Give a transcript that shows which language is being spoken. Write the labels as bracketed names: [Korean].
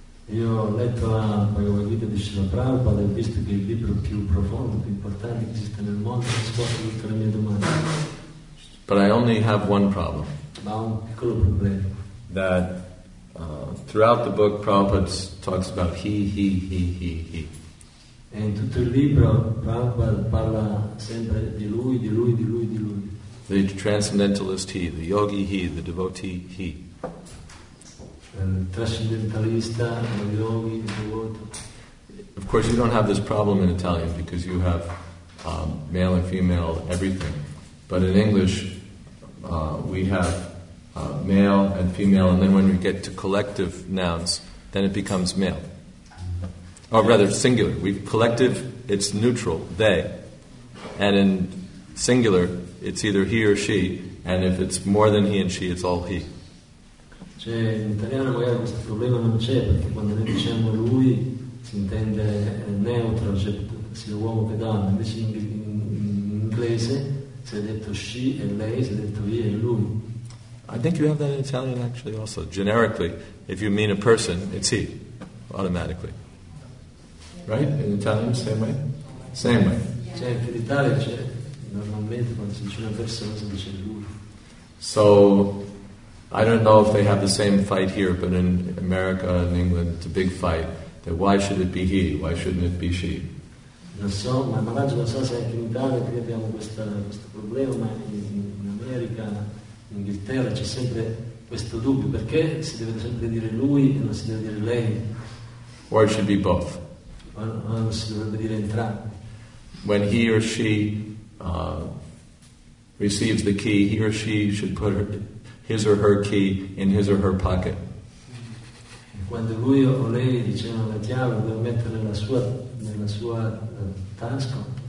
[Italian] Io ho letto la Bhagavad Gita di Srila Prabhupada e ho visto che è il libro più profondo, più importante che esiste nel mondo, risponde a tutte le mie domande. [English] But I only have one problem. [Italian] Ma un piccolo problema. [English] That throughout the book, Prabhupada talks about he. [Italian] E in tutto il libro, Prabhupada parla sempre di lui, di lui, di lui, di lui. [English] The transcendentalist he, the yogi he, the devotee he. [Italian] Trascendentalista, yogi, devoto. [English] Of course, you don't have this problem in Italian because you have male and female everything. But in English, we have male and female, and then when we get to collective nouns, then it becomes male. Or rather, singular. We collective, it's neutral, they. And in singular, it's either he or she, and if it's more than he and she, it's all he. [Italian] Cioè, in italiano magari questo problema non c'è, perché quando noi diciamo lui si intende neutro, cioè sia uomo che donna. Invece in inglese si è detto she e lei, si è detto io e lui. [English] I think you have that in Italian actually also. Generically, if you mean a person, it's he, automatically. Right? In Italian, same way? Same way. [Italian] Cioè, in Italia c'è, normalmente quando si dice una persona si dice lui. [English] So, I don't know if they have the same fight here, but in America and England, it's a big fight. That why should it be he? Why shouldn't it be she? [Italian] Non so, ma immagino non so se anche in Italia qui abbiamo questo problema, ma in America, in Inghilterra c'è sempre questo dubbio. Perché si deve sempre dire lui e non si deve dire lei? [English] Or it should be both. [Italian] O non si dovrebbe dire entrambi. [English] When he or she receives the key, he or she should put her, his or her key in his or her pocket. [Italian] quando lui o lei diceva la chiave deve mettere nella sua tasca.